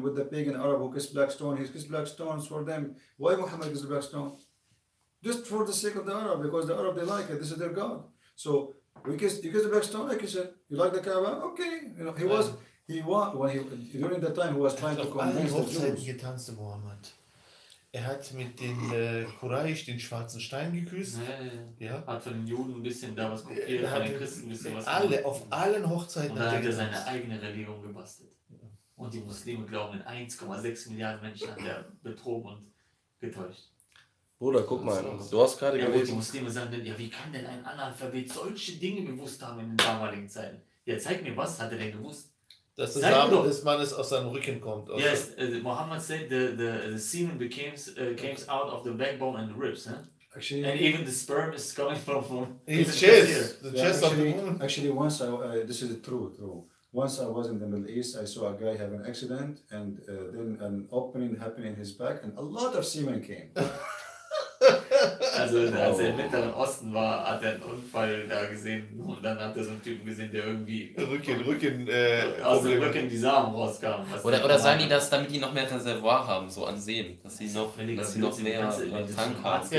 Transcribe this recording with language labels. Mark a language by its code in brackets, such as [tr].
[en] With the pagan Arab who kissed black stone, he kissed black stones for them. Why Muhammad kissed black stone? Just for the sake of the Arab, because the Arab, they like it. This is their God. So, you kiss the black stone, like you said. You like the Kaaba? Okay. You know, during that time, he was trying to convince the Jews. He danced to Muhammad. [de] Er hat mit den Quraysh den schwarzen Stein geküsst. Ja. Hat von den Juden ein bisschen da was kopiert, von den Christen ein bisschen was gemacht. Alle, auf allen Hochzeiten. Und dann hat er seine eigene Religion gebastelt. Und die Muslime glauben in 1,6 Milliarden Menschen hat er betrogen und getäuscht. Bruder, guck mal, du hast gerade gelesen. Die Muslime sagen, ja, wie kann denn ein Analphabet solche Dinge gewusst haben in den damaligen Zeiten? Ja, zeig mir, was hat er denn gewusst? Dass das Samen des Mannes aus seinem Rücken kommt. Also. [en] Yes, Muhammad said the semen came out of the backbone and the ribs. Huh? Actually, and even the sperm is coming from his chest. The chest of the woman. Actually, once this is true. Once I was in the Middle East, I saw a guy have an accident, and then an opening happened in his back, and a lot of semen came. [de] Also, als er im Mittleren Osten war, hat er einen Unfall da gesehen und dann hat er so einen Typen gesehen, der irgendwie aus dem Rücken die Samen rauskam. Oder sagen die das, damit die noch mehr Reservoir haben, so an Seen, dass sie noch, mehr Tank haben?